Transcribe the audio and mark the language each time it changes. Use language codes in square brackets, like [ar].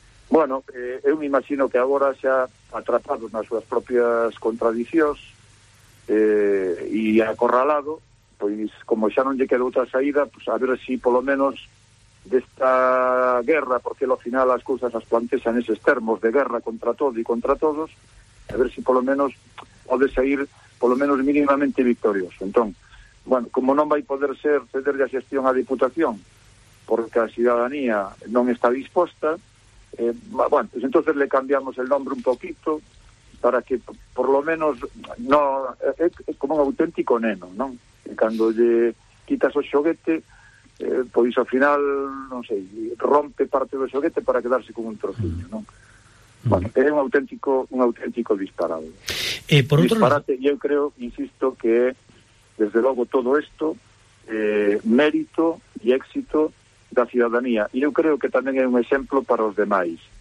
[gl] Bueno, eu me imagino que agora xa atrapado nas súas propias contradicións e acorralado, pois como xa non lle queda outra saída, pois a ver si polo menos desta guerra, porque ao final as cousas as plantexan eses termos de guerra contra todo e contra todos, a ver si polo menos pode sair polo menos mínimamente victorioso. Entón, bueno, como non vai poder ser cederle a xestión á Diputación porque a cidadanía non está disposta, [es] pues entonces le cambiamos el nombre un poquito para que por lo menos no es como un auténtico neno, ¿no? [gl] Cando lle quitas o xoguete, pois ao final, non sei, rompe parte do xoguete para quedarse con un trociño, ¿no? Bueno, é un auténtico disparado. Disparate, eu creo, insisto, que desde logo todo isto mérito e éxito da cidadanía, e eu creo que tamén é un exemplo para os demais.